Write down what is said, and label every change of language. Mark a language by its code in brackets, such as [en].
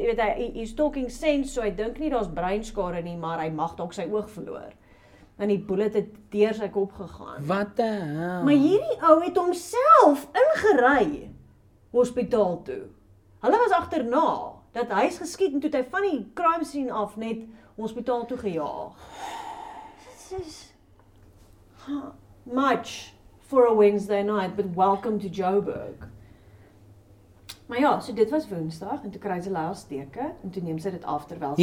[af] Jy weet, hy is [en] talking sense, [af] so hy dink nie daar's breinskade nie, maar hy mag dalk sy oog verloor. En die bullet het deur sy kop gegaan. Wat [en] the hell? [af] Maar hierdie ou het homself ingery hospitaal toe. Hulle was agterna dat hy is geskiet en toe hy van die crime scene af net hospitaal toe gejaag. [en] This is much for a Wednesday night, but welcome to Joburg. [af] Maar ja, so dit was Woensdag en toe kry sy laaste steke en toe neem sy dit af terwyl sy